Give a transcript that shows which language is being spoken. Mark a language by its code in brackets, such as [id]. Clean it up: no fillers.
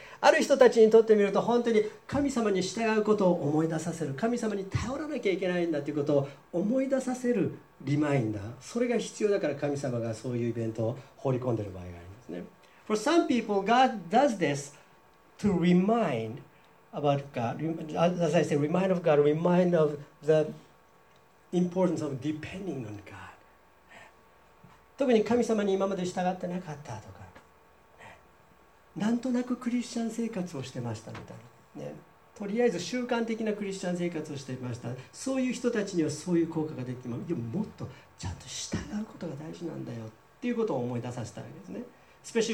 [ja] ある人たちにとってみると本当に神様に従うことを思い出させる、神様に頼らなきゃいけないんだということを思い出させるリマインダー、それが必要だから神様がそういうイベントを放り込んでいる場合がありますね。 [en] For some people, God does this to remind about God, as I say, remind of God, remind of the importance of depending on God. [ja] 特に神様に今まで従ってなかったとか、なんとなくクリスチャン生活をしてましたみたいな、ね、とりあえず習慣的なクリスチャン生活をしてました、そういう人たちにはそういう効果が出てます。でも、もっとちゃんと従うことが大事なんだよっていうことを思い出させたわけですね。